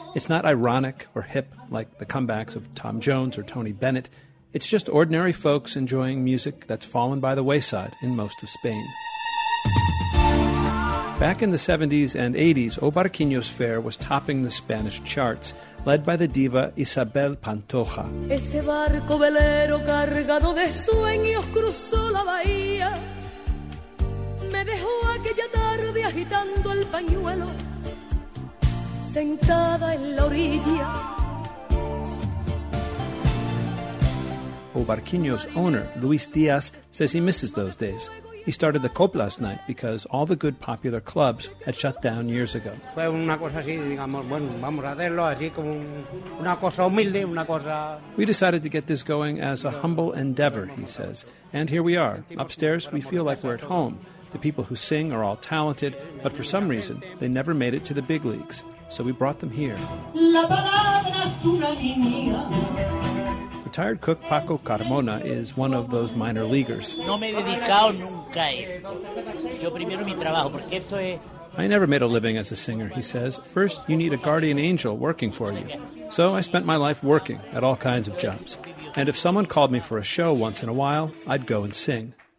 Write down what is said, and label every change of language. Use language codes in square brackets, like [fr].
[en] It's not ironic or hip like the comebacks of Tom Jones or Tony Bennett. It's just ordinary folks enjoying music that's fallen by the wayside in most of Spain. Back in the 70s and 80s, O Barquiño's fare was topping the Spanish charts, led by the diva Isabel Pantoja. [es] Ese barco velero cargado de sueños cruzó la bahía. Me dejó aquella tarde agitando el pañuelo, sentada en la orilla. [en] O Barquiño's owner, Luis Diaz, says he misses those days. He started the Cope last night because all the good popular clubs had shut down years ago. [es] Fue una cosa así, digamos, bueno, vamos a hacerlo así como una cosa humilde, una cosa... [en] We decided to get this going as a humble endeavor, he says. And here we are. Upstairs, we feel like we're at home. The people who sing are all talented, but for some reason, they never made it to the big leagues. So we brought them here. [es] La palabra es una línea. [en] Retired cook Paco Carmona is one of those minor leaguers. [es] No me he dedicado nunca a esto. Yo primero mi trabajo, porque esto es... [en] I never made a living as a singer, he says. First, you need a guardian angel working for you. So I spent my life working at all kinds of jobs. And if someone called me for a show once in a while, I'd go and sing.